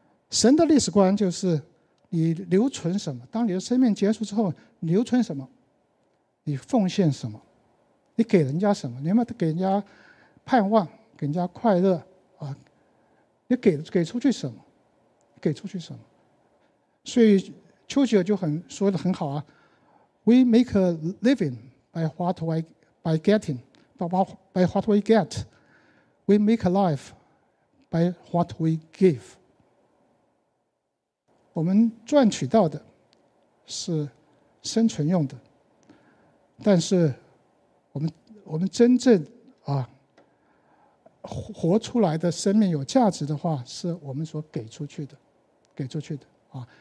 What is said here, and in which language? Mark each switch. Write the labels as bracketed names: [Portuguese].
[Chinese] 神的历史观就是你留存什么，当你的生命结束之后你留存什么，你奉献什么，你给人家什么，你有没有给人家盼望，给人家快乐啊？你 给出去什么，给出去什么。所以丘吉尔就很说得很好啊， [English] We make a living by what we, by getting, by what we get. We make a life by what we give. [Chinese] 我们赚取到的是生存用的，但是我们真正啊活出来的生命有价值的话，是我们所给出去的，给出去的啊。